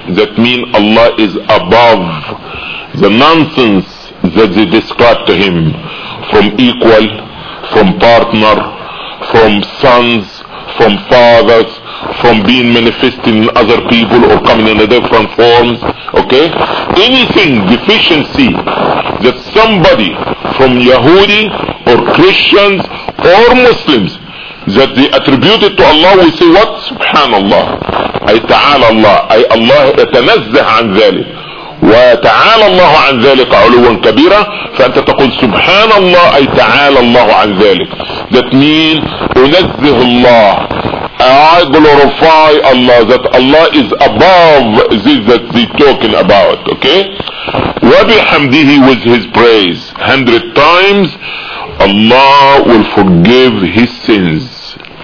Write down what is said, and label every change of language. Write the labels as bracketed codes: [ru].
[en] That means Allah is above the nonsense that they describe to him, from equal, from partner, from sons, from fathers, from being manifested in other people or coming in a different form. Okay? Anything deficiency that somebody from Yahudi or Christians or Muslims that they attributed to Allah, we say what? Subhanallah. [ar] أي تعالى الله أي الله يتنزه عن ذلك وتعالى الله عن ذلك علوا كبيرا فأنت تقول سبحان الله أي تعالى الله عن ذلك. [en] That mean [ar] أنزه الله, [en] I glorify Allah, that Allah is above this that they talking about. Okay, وبحمده with his praise 100 times Allah will forgive his sins.